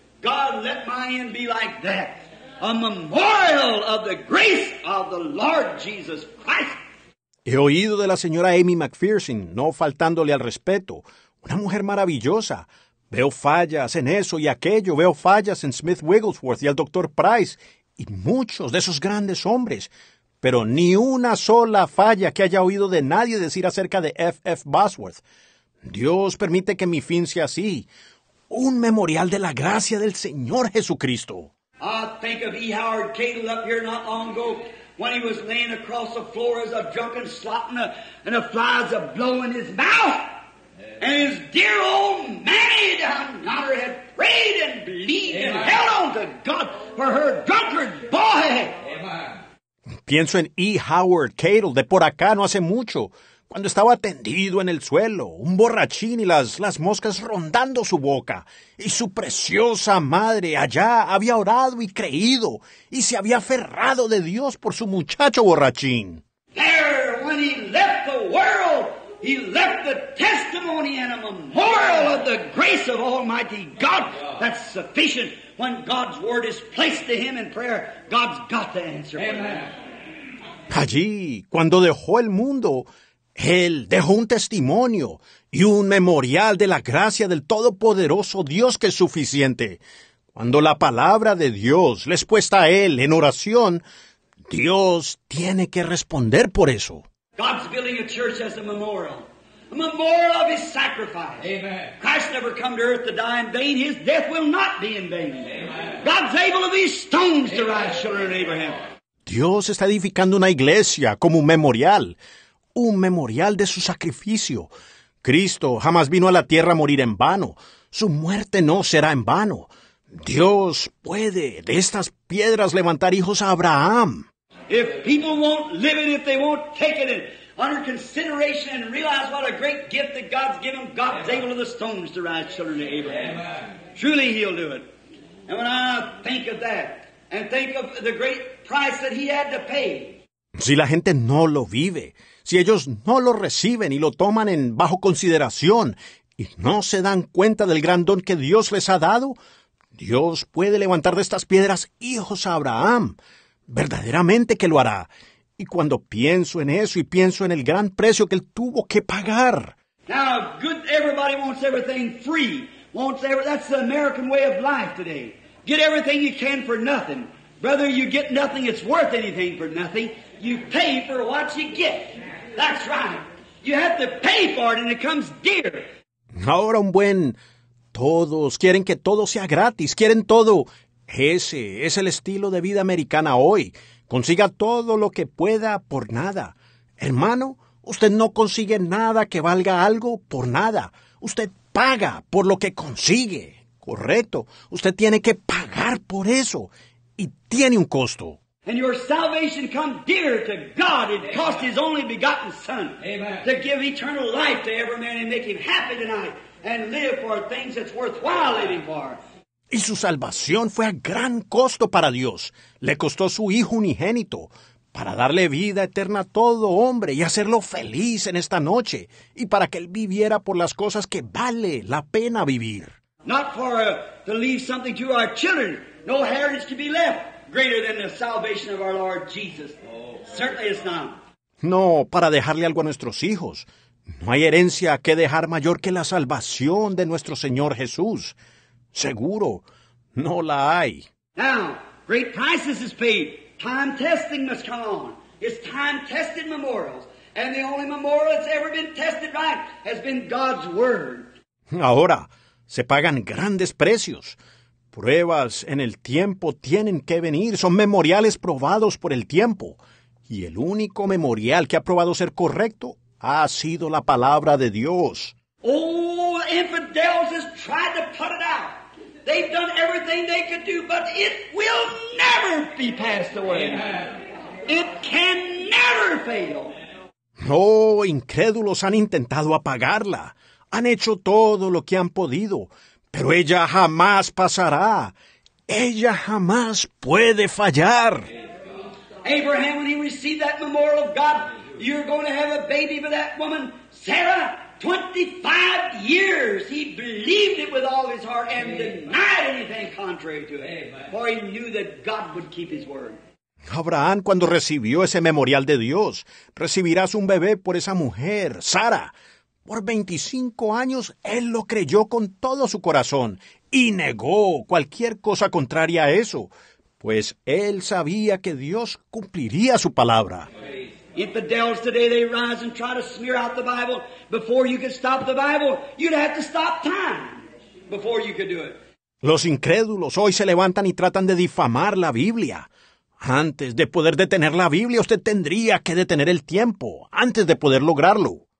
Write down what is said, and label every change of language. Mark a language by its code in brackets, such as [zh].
[en] God, let my end be like that. A memorial of the grace of the Lord Jesus Christ. [es] He oído de la señora Amy McPherson, no faltándole al respeto, una mujer maravillosa. Veo fallas en eso y aquello, veo fallas en Smith Wigglesworth y al Dr. Price, y muchos de esos grandes hombres, pero ni una sola falla que haya oído de nadie decir acerca de F.F. Bosworth. Dios permite que mi fin sea así, un memorial de la gracia del Señor Jesucristo. [en] I think of E. Howard Cadle up here not long ago, when he was laying across the floor as a drunken slot and a flies a blowing his mouth. And his dear old Mammy down yonder had prayed and believed. Amen. And held on to God for her drunkard boy. Amen. [es] Pienso en E. Howard Cadle de por acá no hace mucho, cuando estaba tendido en el suelo, un borrachín y las moscas rondando su boca. Y su preciosa madre allá había orado y creído y se había aferrado de Dios por su muchacho borrachín. [en] There, when he left the world, he left the testimony and a memorial of the grace of Almighty God. That's sufficient. When God's word is placed to him in prayer, God's got the answer. Amen. [es] Allí, cuando dejó el mundo, él dejó un testimonio y un memorial de la gracia del Todopoderoso Dios que es suficiente. Cuando la palabra de Dios le es puesta a él en oración, Dios tiene que responder por eso. [en] God's building a church as a memorial of his sacrifice. Amen. Christ never come to earth to die in vain. His death will not be in vain. Amen. God's able of these stones to rise, children of Abraham. [es] Dios está edificando una iglesia como un memorial de su sacrificio. Cristo jamás vino a la tierra a morir en vano. Su muerte no será en vano. Dios puede de estas piedras levantar hijos a Abraham. [en] If people won't live it, if they won't take it under consideration and realize what a great gift that God's given, God's Amen. Able of the stones to rise, children of Abraham. Amen. Truly he'll do it. And when I think of that, and think of the great price that he had to pay. [es] Si la gente no lo vive, si ellos no lo reciben y lo toman en bajo consideración, y no se dan cuenta del gran don que Dios les ha dado, Dios puede levantar de estas piedras hijos a Abraham. Verdaderamente que lo hará. Y cuando pienso en eso y pienso en el gran precio que él tuvo que pagar. [en] Now, good, everybody wants everything free. That's the American way of life today. Get everything you can for nothing. Brother, you get nothing, it's worth anything for nothing. You pay for what you get. That's right. You have to pay for it and it comes dear. [es] Ahora un buen, todos quieren que todo sea gratis, quieren todo. Ese es el estilo de vida americana hoy. Consiga todo lo que pueda por nada. Hermano, usted no consigue nada que valga algo por nada. Usted paga por lo que consigue. Correcto. Usted tiene que pagar por eso. Y tiene un costo. [en] And your salvation come dear to God. It Amen. Cost his only begotten son. Amen. To give eternal life to every man and make him happy tonight. And live for things that's worthwhile living for. [es] Y su salvación fue a gran costo para Dios. Le costó su Hijo unigénito para darle vida eterna a todo hombre y hacerlo feliz en esta noche y para que él viviera por las cosas que vale la pena vivir. [en] Not for to leave something to our children. No heritage to be left greater than the salvation of our Lord Jesus. Certainly it's not. [es] No, para dejarle algo a nuestros hijos. No hay herencia que dejar mayor que la salvación de nuestro Señor Jesús. Seguro, no la hay. [en] Now, great prices is paid. Time testing must come on. It's time tested memorials. And the only memorial that's ever been tested right has been God's Word. [es] Ahora, se pagan grandes precios. Pruebas en el tiempo tienen que venir. Son memoriales probados por el tiempo. Y el único memorial que ha probado ser correcto ha sido la palabra de Dios. [en] Oh, the infidels has tried to put it out. They've done everything they could do, but it will never be passed away. It can never fail. [es] Oh, incrédulos han intentado apagarla. Han hecho todo lo que han podido, pero ella jamás pasará. Ella jamás puede fallar. [en] Abraham, when he received that memorial of God, you're going to have a baby with that woman, Sarah. 25 years he believed it with all his heart and denied anything contrary to it. For he knew that God would keep his word. [es] Abraham, cuando recibió ese memorial de Dios, recibirás un bebé por esa mujer, Sara. Por 25 años, él lo creyó con todo su corazón y negó cualquier cosa contraria a eso, pues él sabía que Dios cumpliría su palabra. [en] Infidels today, they rise and try to smear out the Bible. Before you could stop the Bible, you'd have to stop time before you could do it. [es] Los incrédulos hoy se levantan y tratan de difamar la Biblia. Antes de poder detener la Biblia, usted tendría que detener el tiempo antes de poder lograrlo.